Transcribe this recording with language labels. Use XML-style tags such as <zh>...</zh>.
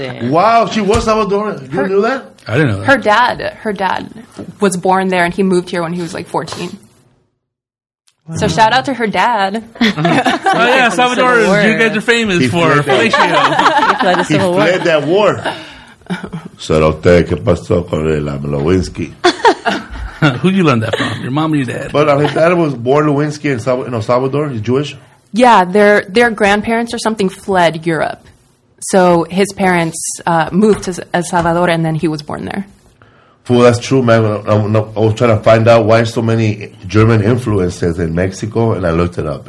<en>Wow, she was Salvadoran. You knew that? I didn't know that. Her dad was born there, and he moved here when he was like 14. So shout out to her dad. Oh yeah, Salvadorans, you guys are famous for fellatio. He fled that war.</en> <es>Cerote, ¿qué pasó con el Lewinsky?</es> <en>Who you learned that from? Your mom or your dad? But his dad was born Lewinsky in El Salvador. He's Jewish? Yeah, their grandparents or something fled Europe. So his parents moved to El Salvador, and then he was born there. Well, that's true, man. I was trying to find out why so many German influences in Mexico, and I looked it up.</en>